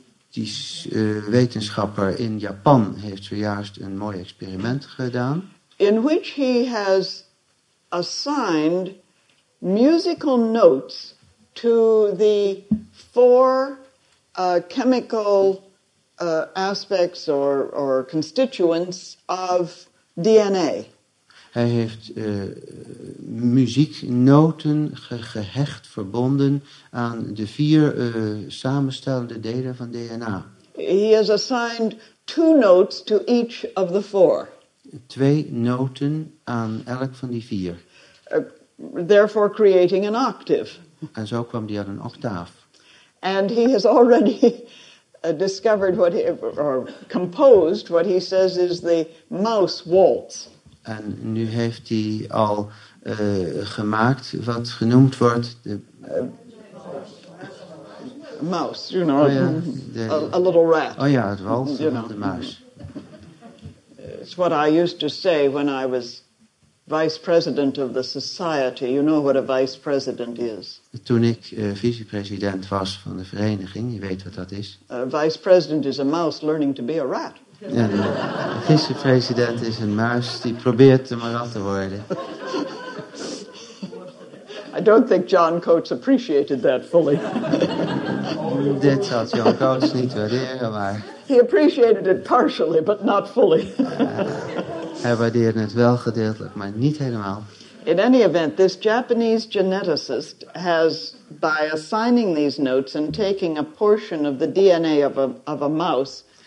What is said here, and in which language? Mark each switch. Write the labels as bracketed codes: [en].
[nl] Een genetisch wetenschapper in Japan heeft zojuist een mooi experiment gedaan. [en] In which he has assigned musical notes to the four chemical aspects or constituents of DNA. [nl] Hij heeft muzieknoten gehecht, verbonden aan de vier samenstellende delen van DNA. [en] He has assigned two notes to each of the four. [nl] Twee noten aan elk van die vier. [en] Therefore creating an octave. [nl] En zo kwam hij aan een octaaf. [en] And he has already discovered what he, or composed what he says is the mouse waltz. [nl] En nu heeft hij al gemaakt wat genoemd wordt de [en] mouse, you know, a little rat. [nl] Oh ja, het walsen van de muis. [en] It's what I used to say when I was vice president of the society. You know what a vice president is. [nl] Toen ik vicepresident was van de vereniging, je weet wat dat is. [en] A vice president is a mouse learning to be a rat. [nl] Ja, de vicepresident is een muis die probeert een rat te worden. [en] I don't think John Coates appreciated that fully. [nl] Dit had John Coates niet waarderen, maar [en] he appreciated it partially, but not fully. [nl] Hij waardeerde het wel gedeeltelijk, maar niet helemaal. [en] In any event, this Japanese geneticist has, by assigning these notes and taking a portion of the DNA of a mouse,